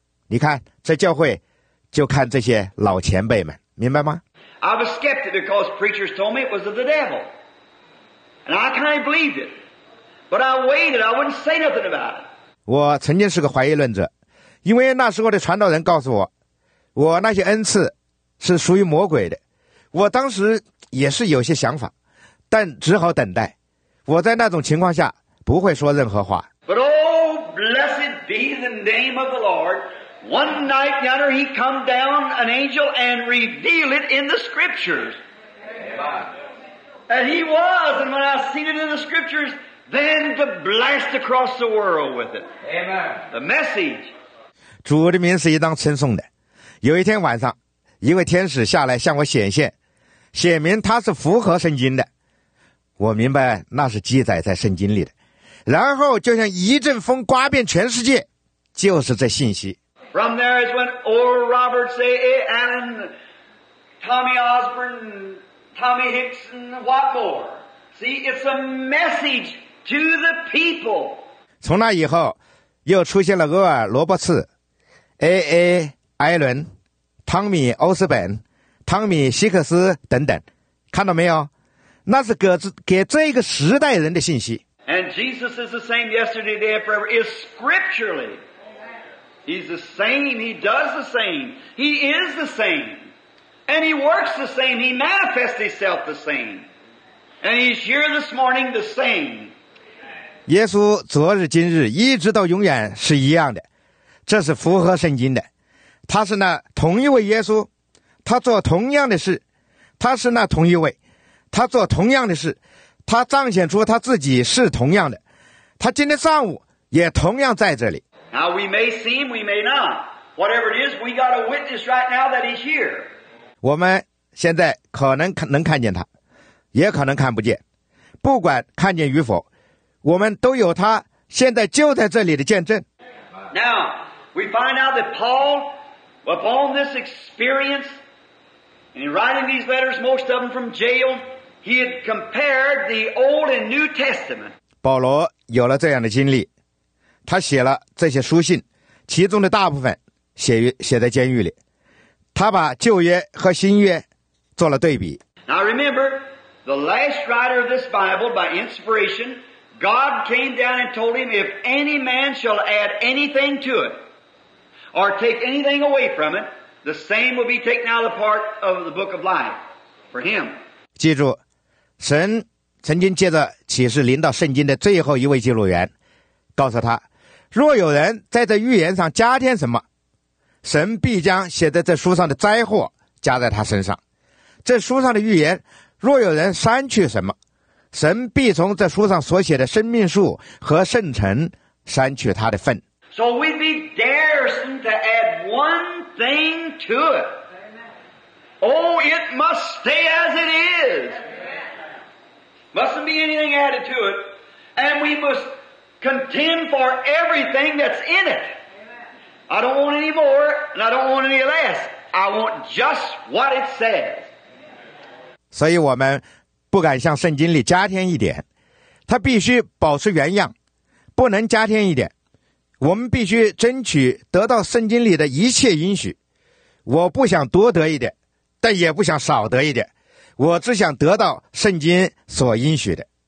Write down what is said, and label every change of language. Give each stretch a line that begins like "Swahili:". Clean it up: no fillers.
Chinese: 你看，这教会就看这些老前辈们，明白吗？
English: I was skeptic because preachers told me it was of the devil. And I kind of believed it. But I waited, I wouldn't say nothing about it.
Chinese: 我曾经是个怀疑论者，因为那时候的传道人告诉我，我那些恩赐是属于魔鬼的。我当时也是有些想法，但只好等待。我在那种情况下不会说任何话。
English: But oh, blessed be the name of the Lord. One night yonder he come down an angel and revealed it in the scriptures. And he was, and when I seen it in the scriptures,Then the blast across the world with it. Amen. The message.
Chinese: 主的名是应当称颂的。有一天晚上，一位天使下来向我显现，显明他是符合圣经的。我明白那是记载在圣经里的。然后就像一阵风刮遍全世界，就是这信息。
English: From there is when Oral Roberts, A. Allen, Tommy Osborne, Tommy Hicks, and what more? See, it's a message to the people.
Chinese: 从那以后，又出现了厄尔·罗伯茨、A.A. 艾伦、汤米·欧斯本、汤米·希克斯等等，看到没有？那是给这个时代人的信息。
English: And Jesus is the same yesterday, today, and forever. Is scripturally, He's the same. He does the same. He is the same, and He works the same. He manifests Himself the same, and He's here this morning the same.
Chinese: 耶稣昨日今日一直到永远是一样的，这是符合圣经的。他是那同一位耶稣，他做同样的事，他是那同一位，他做同样的事，他彰显出他自己是同样的，他今天上午也同样在这里。
English: Now we may see him, we may not. Whatever it is, we got a witness right now that he's here.
Chinese: 我们现在可能能看见他，也可能看不见。不管看见与否，我们都有他现在就在这里的见证。
English: Now we find out that Paul. Upon this experience, in writing these letters, most of them from jail, he had compared the Old and New Testament.
Chinese: 保罗有了这样的经历，他写了这些书信，其中的大部分写在监狱里。他把旧约和新约做了对比。
English: Now remember, the last writer of this Bible, by inspiration, God came down and told him, if any man shall add anything to it,or take anything away from it, the same will be taken out of the part of the book of life for him.
Chinese: 记住，神曾经借着启示临到圣经的最后一位记录员，告诉他，若有人在这预言上加添什么，神必将写在这书上的灾祸加在他身上。这书上的预言，若有人删去什么，神必从这书上所写的生命树和圣城删去他的份。
English: So we'd be daring to add one thing to it. Oh, it must stay as it is. Mustn't be anything added to it. And we must contend for everything that's in it. I don't want any more, and I don't want any less. I want just what it says.
Chinese: 所以我们不敢向圣经里加添一点，它必须保持原样，不能加添一点。我们必须争取得到圣经里的一切应许，我不想多得一点，但也不想少得一点，我只想得到圣经所应许的。